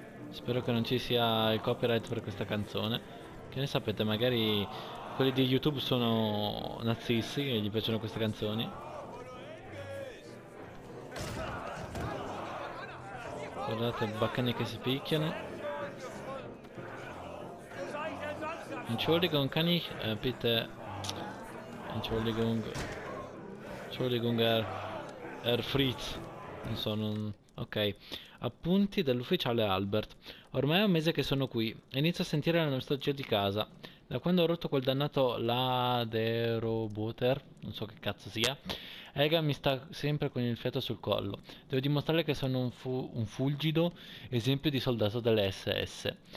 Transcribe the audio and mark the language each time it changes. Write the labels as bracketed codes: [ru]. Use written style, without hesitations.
[it] Spero che non ci sia il copyright per questa canzone. Che ne sapete, magari quelli di YouTube sono nazisti e gli piacciono queste canzoni. Guardate, baccani che si picchiano. [de] Entschuldigung, kann ich, bitte. Entschuldigung. Entschuldigung, Herr Fritz. [it] Non so, non... Ok. Appunti dell'ufficiale Albert. Ormai è un mese che sono qui e inizio a sentire la nostalgia di casa. Da quando ho rotto quel dannato Laderobotter, non so che cazzo sia, Ega mi sta sempre con il fiato sul collo. Devo dimostrare che sono un fulgido esempio di soldato dell'SS.